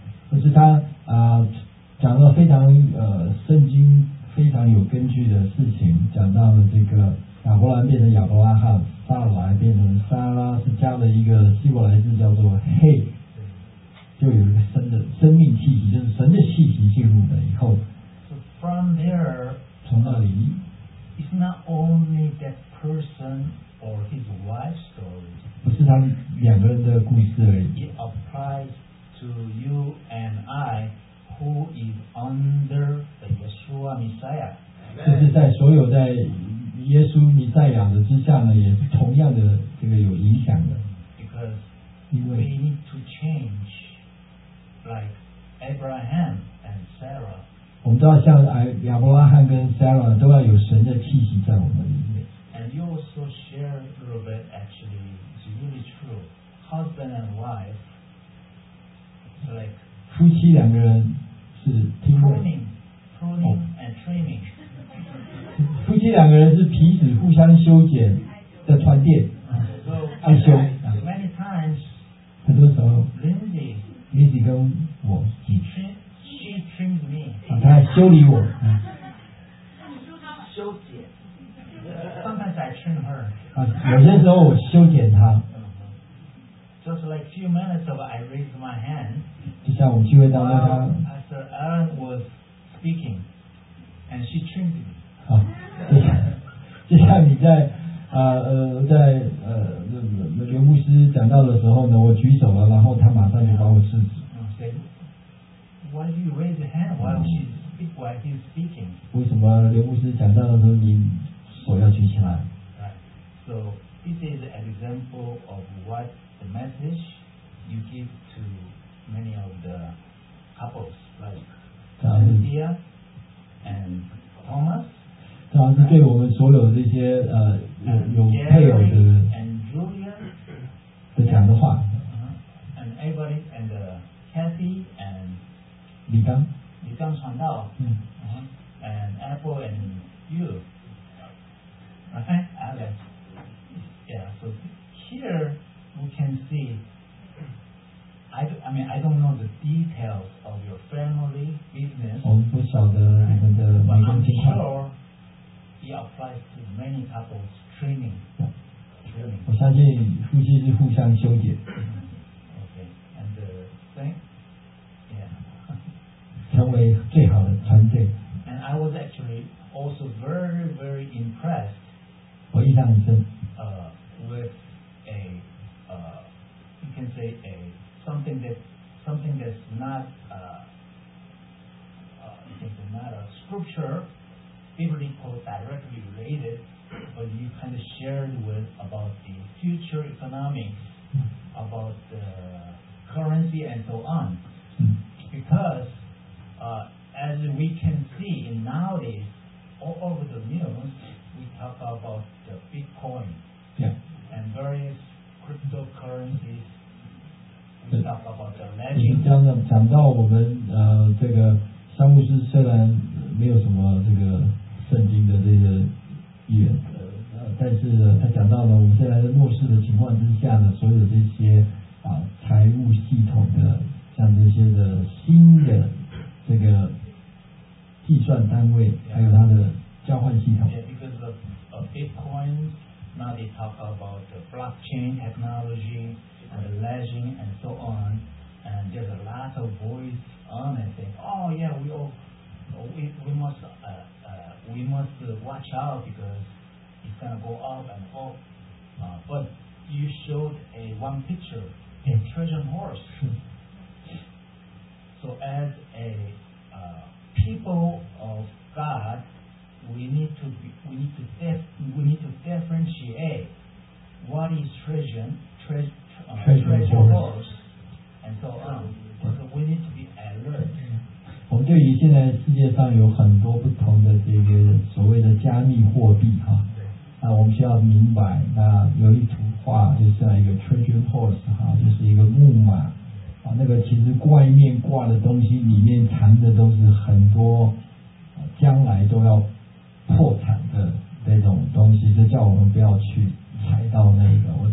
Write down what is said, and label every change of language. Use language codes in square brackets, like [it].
[zh] 可是他讲了非常圣经非常有根据的事情，讲到了这个亚伯兰变成亚伯拉罕，撒拉变成撒拉，是加了一个希伯来字叫做嘿，就有一个生的生命气息，就是神的气息进入了以后。 [en] So from there, [zh] 从那里 [en] ，it's not only that person or his wife's story， [zh] 不是他们两个人的故事而已。 [en] It applies to you and I. Who is under the Yeshua Messiah? [zh] 就是在所有在耶稣弥赛亚的之下呢，也是同样的这个有影响的。 [en] Because we need to change, like Abraham and Sarah. [zh] 我们都要像亚伯拉罕跟 Sarah 都要有神的气息在我们里面。 [en] And you also share a little bit. Actually, it's really true. Husband and wife, like. [zh] 夫妻两个人是 [en] training and training [zh] 夫妻两个人是彼此互相修剪的团练爱修 [en] many times, [zh] 很多时候 [en] Lindsay [zh] 跟我 [en] she trims me [zh] 她还修理我修剪 [en] sometimes I trim her [zh] 有些时候我修剪她 [en] Just like few minutes ago, I raised my hand. [zh] 就像我们聚会当中， [en] as Aaron was speaking, and she trimmed me. [zh] 就像你在刘牧师讲到的时候呢，我举手了，然后他马上就把我制止。 [en] Why do you raise your hand while he's speaking? [zh] 为什么刘牧师讲到的时候你手要举起来？ [en] Right. So this is an example of what. The message you give to many of the couples like Cynthia and Thomas. [zh] 这样是对我们所有这些有配偶的 [en] and Julian [zh] 的讲的话 [en] and everybody and Kathy and [zh] 李刚 [en] 传道 and Apple and you. Okay, Alex. Yeah, so here. We can see, I don't know the details of your family business. [zh] 我们不晓得你们的每个人情况。 [en] But I'm sure it applies to many couples training. Training. [zh] 我相信夫妻是互相修剪。 [en] Okay. And the thing, yeah. [zh] 成为最好的团队。 [en] And I was actually also very, very impressed. [zh] 我印象很深。 [en] With a... you can say something that's not a scripture biblical directly related, but you kind of shared with about the future economics about the currency and so on. Because as we can see nowadays, all over the news, we talk about the Bitcoin and various cryptocurrencies. We talk about the legend. [zh] 讲到我们这个三牧师虽然没有什么这个圣经的这个预言，但是他讲到了我们现在的末世的情况之下呢，所有的这些财务系统的像这些的新的这个计算单位，还有它的交换系统。 [en] Yeah, because of Bitcoin, now they talk about the blockchain technology, and the ledger and so on, and there's a lot of voice on it saying, oh yeah, we must watch out because it's gonna go up and up. But you showed one picture, a Trojan horse. So as a people of God, we need to differentiate what is Trojan, Trojan horse, and so on. So we need to be alert. [zh] 我们对于现在世界上有很多不同的这个所谓的加密货币哈，那我们需要明白，那有一幅画就是像一个 Trojan horse 哈，就是一个木马啊，那个其实外面挂的东西里面藏的都是很多将来都要破产的那种东西，就叫我们不要去踩到那个。